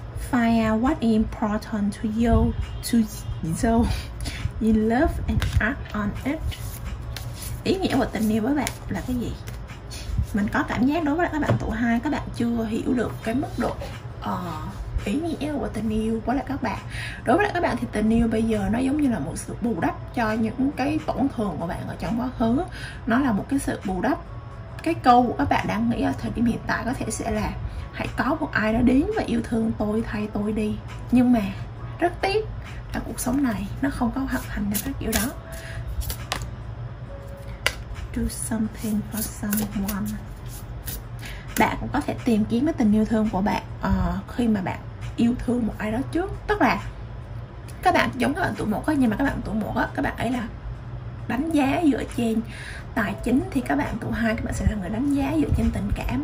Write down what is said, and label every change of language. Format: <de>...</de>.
<en>Find out what is important to you, to you. You love and act on it.</en> <vi>Ý nghĩa của tình yêu với bạn là cái gì? Mình có cảm giác đối với các bạn tụi hai, các bạn chưa hiểu được cái mức độ ý nghĩa của tình yêu với lại các bạn. Đối với lại các bạn thì tình yêu bây giờ nó giống như là một sự bù đắp cho những cái tổn thương của bạn ở trong quá khứ. Nó là một cái sự bù đắp. Cái câu của các bạn đang nghĩ ở thời điểm hiện tại có thể sẽ là hãy có một ai đó đến và yêu thương tôi thay tôi đi. Nhưng mà rất tiếc là cuộc sống này nó không có hoàn thành được cái kiểu đó.</vi> <en>Do something for someone.</en> <vi>Bạn cũng có thể tìm kiếm cái tình yêu thương của bạn khi mà bạn yêu thương một ai đó trước. Tức là các bạn giống các bạn tuổi 1 á, nhưng mà các bạn tuổi 1 á, các bạn ấy là đánh giá dựa trên tài chính, thì các bạn tụi hai các bạn sẽ là người đánh giá dựa trên tình cảm.</vi>